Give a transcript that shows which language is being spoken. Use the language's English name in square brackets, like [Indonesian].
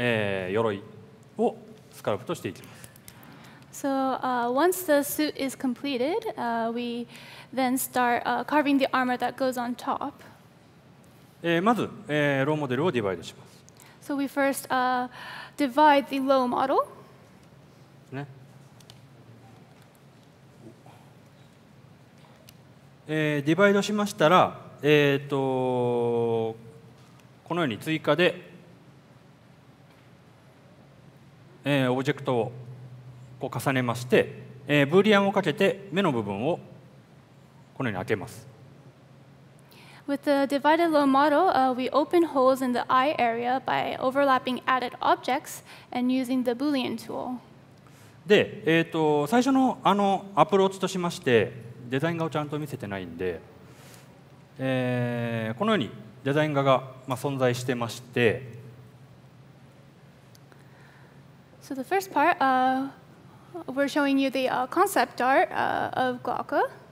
[Japanese] 先ほど、スーツですね。このように、完成していましたので、その上に着せていく鎧をスカルプトしていきます。 [English] So once the suit is completed, we then start carving the armor that goes on top. [Japanese] まず、ローモデルをディバイドします。So [English] we first divide the low model. [Japanese] ディバイドしましたら、このように追加で、オブジェクトをこう重ねまして、ブーリアンをかけて目の部分をこのように開けます。 [English] With the divided low model, we open holes in the eye area by overlapping added objects and using the Boolean tool. [Japanese] で、最初のあのアプローチとしまして、デザイン画をちゃんと見せてないんで、このようにデザイン画が、まあ、存在してまして。 [English] So the first part, we're showing you the concept art of Glauca.